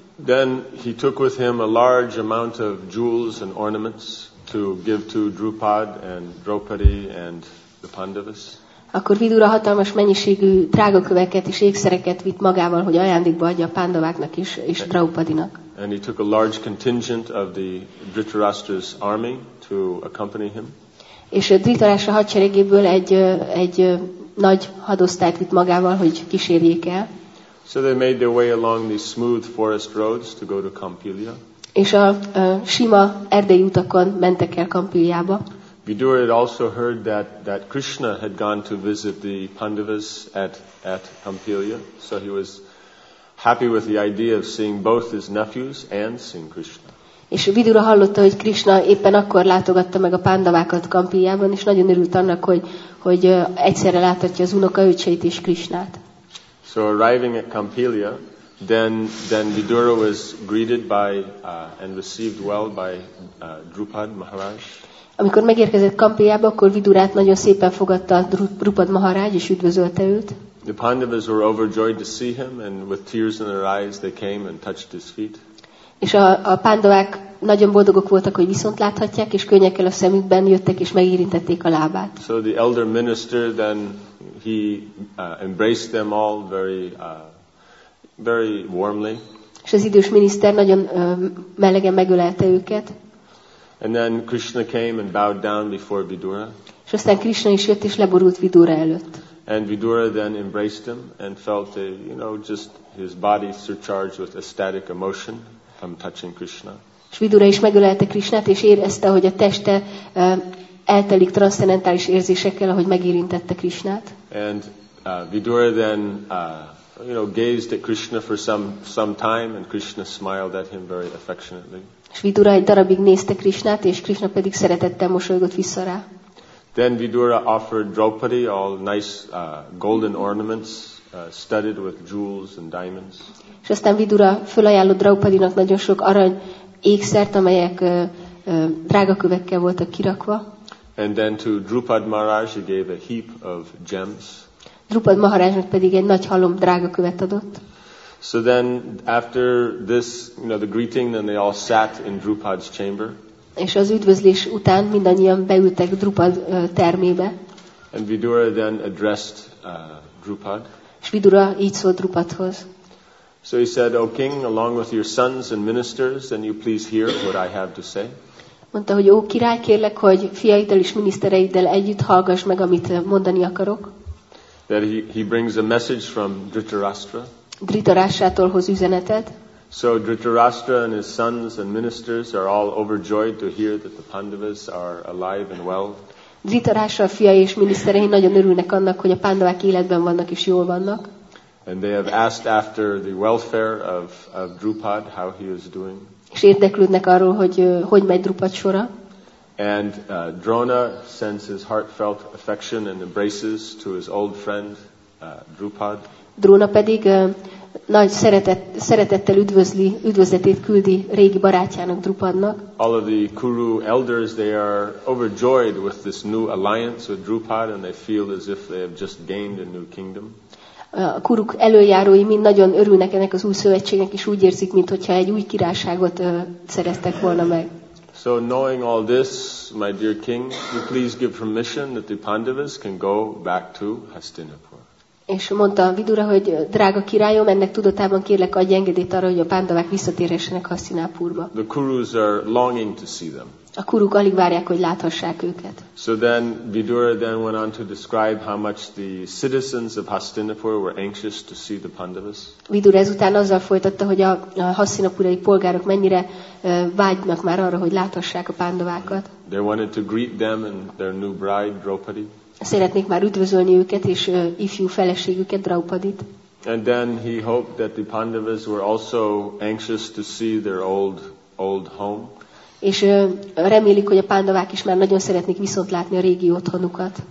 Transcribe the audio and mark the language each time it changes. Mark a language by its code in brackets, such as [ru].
[en] Then he took with him a large amount of jewels and ornaments to give to Drupad and Draupadi and the Pandavas. [hu] Akkor Vidura hatalmas mennyiségű drágaköveket és ékszereket vitt magával, hogy ajándékba adja a Pandavaknak is és Draupadinak. [en] And he took a large contingent of the Dhritarashtra's army to accompany him. [hu] És a Dhritarashtra hadseregéből egy nagy hadosztályt vitt magával, hogy kísérjék el. [en] So they made their way along the smooth forest roads to go to Kampilya. [hu] És a sima erdei utakon mentek el Kampiljába. [en] Vidura had also heard that Krishna had gone to visit the Pandavas at Kampilya, so he was happy with the idea of seeing both his nephews and seeing Krishna. [hu] És Vidura hallotta, hogy Krishna éppen akkor látogatta meg a Pandavákat Kampiljában, és nagyon örült annak, hogy egyszerre láthatja az unokaöcseit és Krishnát. [en] So arriving at Kampilya, then Vidura was greeted by and received well by Drupad Maharaj. [hu] Amikor megérkezett Kampiljába, akkor Vidurát nagyon szépen fogadta Drupad Maharaj és üdvözölte őt. [en] The Pandavas were overjoyed to see him, and with tears in their eyes, they came and touched his feet. [hu] És a Pandavák nagyon boldogok voltak, hogy viszont láthatják, és könnyekkel a szemükben jöttek és megérintették a lábát. [en] So the elder minister then he embraced them all very very warmly. [hu] És az idős miniszter nagyon melegen megölelte őket. [en] And then Krishna came and bowed down before Vidura. [hu] És aztán Krishna is jött és leborult Vidura előtt. [en] And Vidura then embraced him and felt a, you know, just his body surcharged with ecstatic emotion from touching Krishna. [hu] És Vidura is megölelte Krishnát és érezte, hogy a teste eltelik transzcendentális érzésekkel, ahogy megérintette Krishnát. [en] And Vidura then you know, gazed at Krishna for some time, and Krishna smiled at him very affectionately. [hu] És Vidura egy darabig nézte Krishnát, és Krishna pedig szeretettel mosolygott vissza rá. [en] Then Vidura offered Draupadi all nice golden ornaments studded with jewels and diamonds. [hu] És aztán Vidura fölajánlott Draupadinak nagyon sok arany ékszert, amelyek drágakövekkel voltak kirakva. [en] And then to Drupad Maharaj he gave a heap of gems. [hu] Drupad Maharajnak pedig egy nagy halom drágakövet adott. [en] So then after this, you know, the greeting, then they all sat in Drupad's chamber. [hu] És az üdvözlés után mindannyian beültek Drupad termébe. [en] And Vidura then addressed Drupad. [hu] És Vidura így szólt Drupadhoz. [en] So he said, O king, along with your sons and ministers, then you please hear what I have to say. [hu] Mondta, hogy ó király, kérlek, hogy fiaiddal és minisztereiddel együtt hallgass meg, amit mondani akarok. [en] That he brings a message from Dhritarashtra. [hu] Dhritarashtrától hoz üzenetet. [en] So Dhritarashtra and his sons and ministers are all overjoyed to hear that the Pandavas are alive and well. [hu] Dhritarashtra fiai és miniszterei nagyon örülnek annak, hogy a Pandavák életben vannak és jól vannak. [en] And they have asked after the welfare of Drupad, how he is doing. [hu] És érdeklődnek arról, hogy megy Drupad sora. [en] And Drona sends his heartfelt affection and embraces to his old friend Drupad. [hu] Drona pedig nagy szeretettel üdvözletét küldi régi barátjának Drupadnak. [en] All of the Kuru elders they are overjoyed with this new alliance with Drupad and they feel as if they have just gained a new kingdom. [hu] A Kuruk elöljárói mind nagyon örülnek ennek az új szövetségnek és úgy érzik, mintha egy új királyságot szereztek volna meg. [en] So knowing all this, my dear king, you please give permission that the Pandavas can go back to Hastinapur. [hu] És mondta Vidura, hogy drága királyom, ennek tudatában kérlek, adj engedélyt arra, hogy a Pandavák visszatérhessenek Hastinapurba. [en] The Kurus are longing to see them. [hu] A kuruk alig várják, hogy láthassák őket. [en] So then Vidura then went on to describe how much the citizens of Hastinapura were anxious to see the Pandavas. [hu] Vidura ezután azzal folytatta, hogy a hasztinapurai polgárok mennyire vágynak már arra, hogy láthassák a pandavákat. [en] They wanted to greet them and their new bride Draupadi. [hu] Szeretnék már üdvözölni őket és ifjú feleségüket Draupadit. [en] And then he hoped that the Pandavas were also anxious to see their old home. [hu] És remélik, hogy a pándavák is már nagyon szeretnék viszont látni a régi otthonukat.